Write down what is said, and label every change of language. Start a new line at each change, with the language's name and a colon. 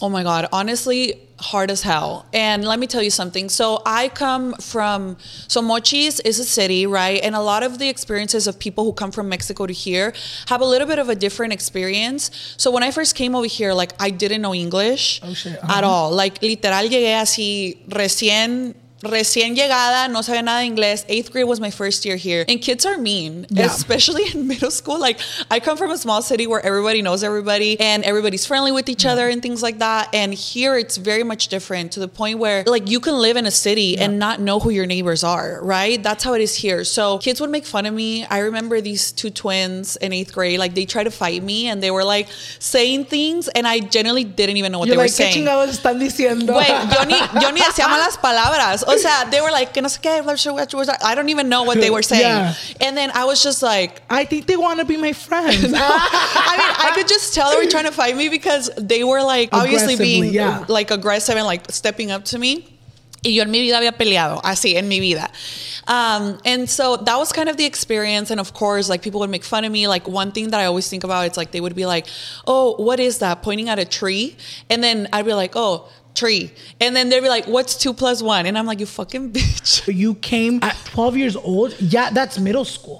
English: Oh my God, honestly, hard as hell. And let me tell you something. So I come from, so Mochis is a city, right? And a lot of the experiences of people who come from Mexico to here have a little bit of a different experience. So when I first came over here, like I didn't know English at all. Like
Spanish: literal llegué así recién llegada, no sabía nada de inglés.
English: Eighth grade was my first year here. And kids are mean, especially in middle school. Like, I come from a small city where everybody knows everybody and everybody's friendly with each other and things like that. And here it's very much different to the point where, like, you can live in a city and not know who your neighbors are, right? That's how it is here. So kids would make fun of me. I remember these two twins in eighth grade, like, they tried to fight me and they were, like, saying things and I generally didn't even know what they were saying. You're like,
Spanish: ¿qué chingados están diciendo?
English: Wait,
Spanish: yo ni decía malas palabras. O sea,
English: they were like,
Spanish: no sé qué,
English: I don't even know what they were saying. And then I was just like, I think they want to be my friends. I mean, I could just tell they were trying to fight me because they were like obviously being like aggressive and like stepping up to me.
Spanish: Y yo en mi vida había peleado, así, en mi vida.
English: And so that was kind of the experience. And of course, like people would make fun of me. Like one thing that I always think about, it's like they would be like, oh, what is that? Pointing at a tree. And then I'd be like, oh, tree. And then they'd be like, what's 2 + 1? And I'm like, you fucking bitch. You came at 12 years old? Yeah, that's middle school.